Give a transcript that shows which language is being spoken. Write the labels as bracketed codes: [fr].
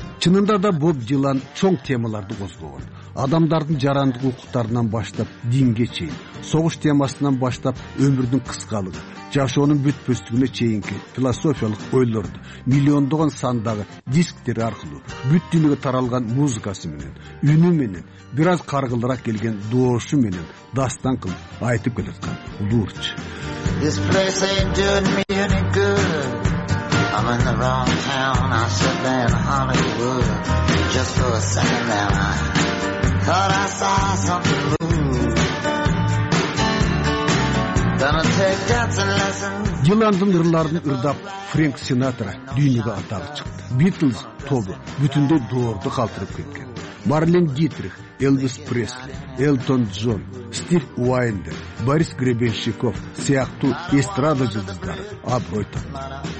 [ky] Чынында да Боб Дилан чоң темаларды козгогон. Адамдардын жарандык укуктарынан баштап динге чейин, согуш темасынан баштап өмүрдүн кыскалыгы, жашоонун бүтпөстүгүнө чейинки философиялык ойлорду миллиондогон сандагы дисктери аркылуу бүт дүйнөгө таралган музыкасы менен, үнү менен, бир аз каргылыраак келген доошу менен дастан кылып айтып келаткан улуу ырчы. [en] This place ain't doing me any good. I'm in the wrong town. I should be in Hollywood. Just for a second there, I thought I saw something move. [ky] Диландын ырларын ырдап Фрэнк Синатра дүйнөгө атагы чыкты. Битлз тобу бүтүндөй доорду калтырып кеткен. Марлен Дитрих, Элвис Пресли, Элтон Джон, Стив Уайндер, Борис Гребенщиков сыяктуу эстрада жылдыздары аброй тапкан.